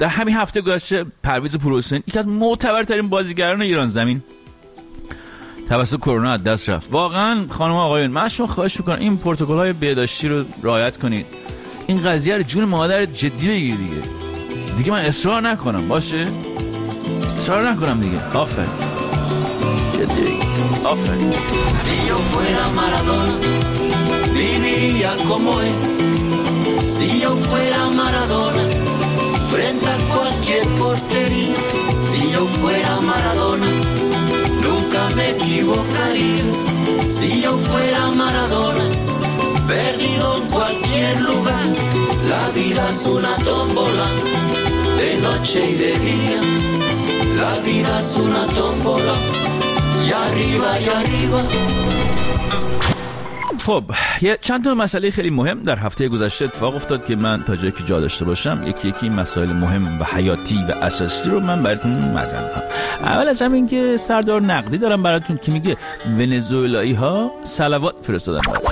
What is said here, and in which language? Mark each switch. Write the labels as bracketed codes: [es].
[fa] در همین هفته گذشته پرویز پورحسین، یکی از معتبرترین بازیگران ایران زمین، توسط کرونا از دست رفت. واقعا خانم آقایون، من شما خواهش میکنم این پروتکل های بهداشتی رو رعایت کنید. این قضیه رو جون مادر جدی بگیرید دیگه. دیگه من اصرار نکنم، باشه؟ اصرار نکنم دیگه. آفرین. جدی. آفرین. [es] Si yo fuera Maradona, viviría como él. Si yo fuera Maradona, frente a cualquier portería. Si yo fuera Maradona, nunca me equivocaría. Si yo fuera Maradona, perdido en cualquier lugar. La vida es una tómbola, de noche y de día. La vida es una tómbola, y arriba y arriba. [fa] خب یه چند تا مسئله خیلی مهم در هفته گذشته اتفاق افتاد که من تا جایی که جا داشته باشم یکی یکی این مسائل مهم و حیاتی و اساسی رو من براتون مطرح کنم. اول از همین که سردار نقدی دارم براتون که میگه ونزوئلایی ها صلوات فرستادن.